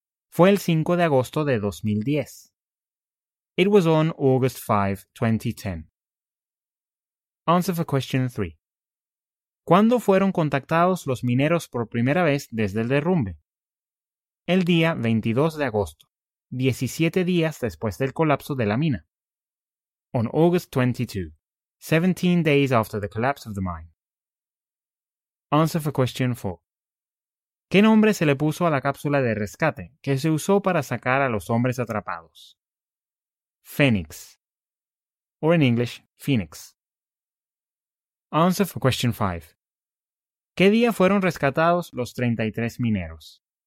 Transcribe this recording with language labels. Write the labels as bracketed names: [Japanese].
[Spanish] Fue el 5 de agosto de 2010. [English] It was on August 5, 2010. Answer for question 3. [Spanish] ¿Cuándo fueron contactados los mineros por primera vez desde el derrumbe? El día 22 de agosto, 17 días después del colapso de la mina. [English] On August 22, 17 days after the collapse of the mine. Answer for question 4. [Spanish] ¿Qué nombre se le puso a la cápsula de rescate que se usó para sacar a los hombres atrapados? [English] Phoenix. Or in English, Phoenix. Answer for question 5. [Spanish] ¿Qué día fueron rescatados los 33 mineros?